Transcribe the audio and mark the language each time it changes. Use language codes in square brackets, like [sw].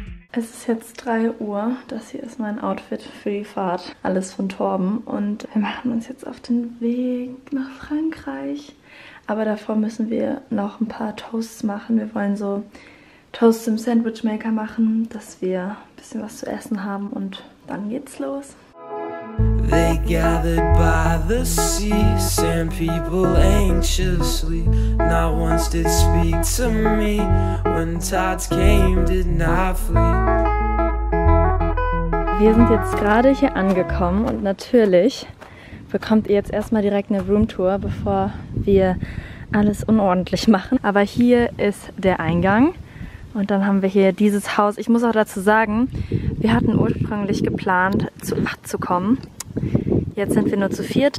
[de] Es ist jetzt 3 Uhr. Das hier ist mein Outfit für die Fahrt. Alles von Torben. Und wir machen uns jetzt auf den Weg nach Frankreich. Aber davor müssen wir noch ein paar Toasts machen. Wir wollen so Toasts im Sandwich Maker machen, dass wir ein bisschen was zu essen haben. Und dann geht's los. [en] They gathered by the sea, sand people anxiously. Not once did speak to me, when tides came did not flee. [de] Wir sind jetzt gerade hier angekommen und natürlich bekommt ihr jetzt erstmal direkt eine Roomtour, bevor wir alles unordentlich machen. Aber hier ist der Eingang. Und dann haben wir hier dieses Haus. Ich muss auch dazu sagen, wir hatten ursprünglich geplant, zu 8 zu kommen. Jetzt sind wir nur zu 4.